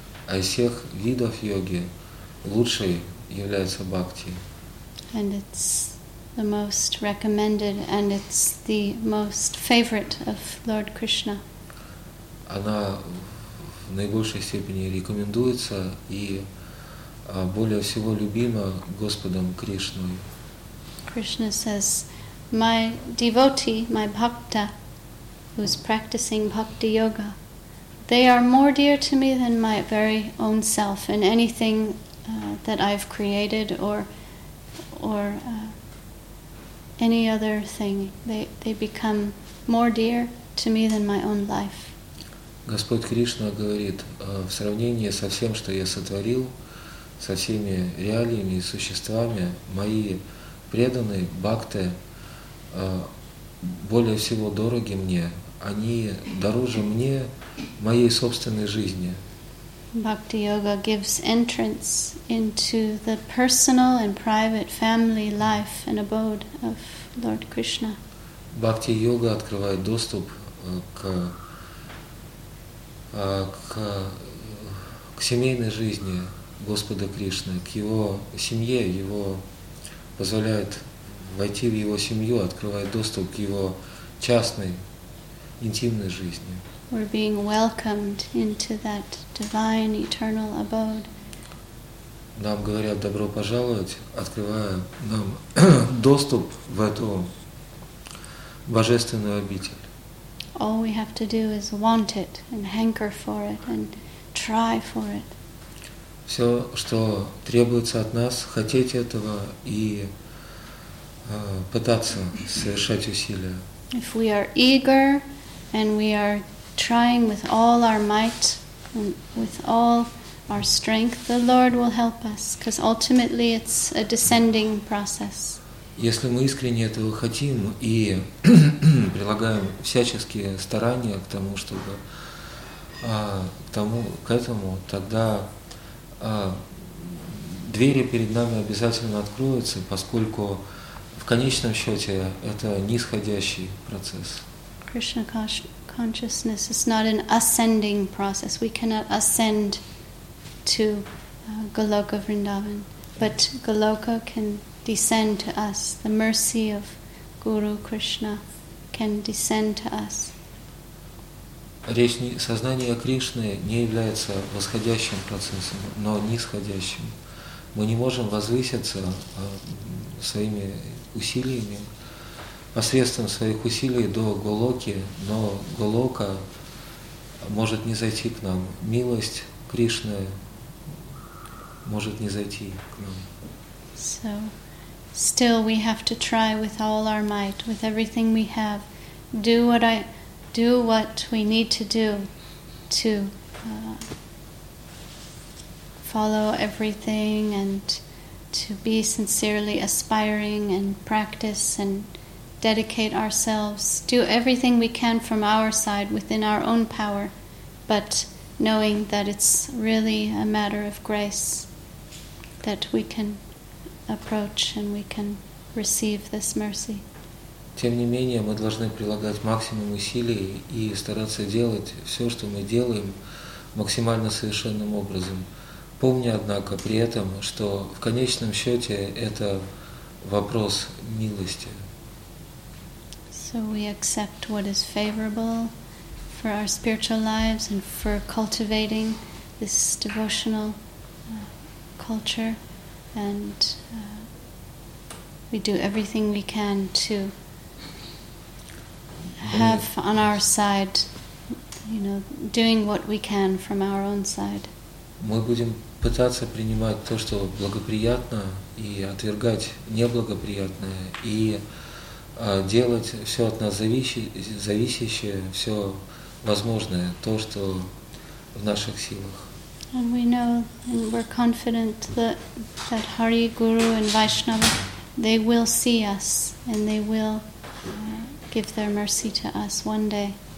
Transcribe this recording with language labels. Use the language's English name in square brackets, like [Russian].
[Russian] А из всех видов йоги лучшей является бхакти. [English] And it's the most recommended, and it's the most favorite of Lord Krishna. [Russian] Она в наибольшей степени рекомендуется и более всего любима Господом Кришной. [English] Krishna says, my devotee, my bhakta, who's practicing bhakti yoga, they are more dear to me than my very own self in anything that I've created or any other thing. They become more dear to me than my own life. [Russian] Господь Кришна говорит, в сравнении со всем, что я сотворил, со всеми реалиями и существами, мои преданные, бхакты, более всего дороги мне, они дороже мне моей собственной жизни. [English] Bhakti yoga gives entrance into the personal and private family life and abode of Lord Krishna. [Russian] Bhakti yoga открывает доступ к семейной жизни Господа Кришны, к его семье, его позволяет войти в его семью, открывает доступ к его частной интимной жизни. [English] We're being welcomed into that divine, eternal abode. [Russian] Нам говорят добро пожаловать, открывая нам доступ в эту божественную обитель. [English] All we have to do is want it and hanker for it and try for it. [Russian] Все, что требуется от нас, хотеть этого и пытаться совершать усилия. [English] If we are eager and we are trying with all our might and with all our strength, the Lord will help us, because ultimately it's a descending process. [Russian] Если мы искренне этого хотим и прилагаем всяческие старания к тому, чтобы к этому, тогда двери перед нами обязательно откроются, поскольку в конечном счете это нисходящий процесс. [English] Krishna consciousness is not an ascending process. We cannot ascend to Goloka Vrindavan, but Goloka can descend to us. The mercy of Guru Krishna can descend to us. [Russian] Речь не, сознание Кришны не является восходящим процессом, но нисходящим. Мы не можем возвыситься своими усилиями, посредством своих усилий до Голоки, но Голока может не зайти к нам. Милость Кришны может не зайти к нам. [English] So, still we have to try with all our might, with everything we have, do what we need to do to follow everything and to be sincerely aspiring and practice and dedicate ourselves, do everything we can from our side within our own power, but knowing that it's really a matter of grace that we can approach and we can receive this mercy. [Russian] Тем не менее, мы должны прилагать максимум усилий и стараться делать все, что мы делаем, максимально совершенным образом. Помня, однако, при этом, что в конечном счете это вопрос милости. [English] So we accept what is favorable for our spiritual lives and for cultivating this devotional culture, and we do everything we can to have on our side, you know, doing what we can from our own side. [Russian] Мы будем пытаться принимать то, что благоприятно, и отвергать неблагоприятное, и делать все от нас зависящее, все возможное, то, что в наших силах. [English] And we know and we're confident that Hari Guru and Vaishnava, they will see us and they will give their mercy to us one day.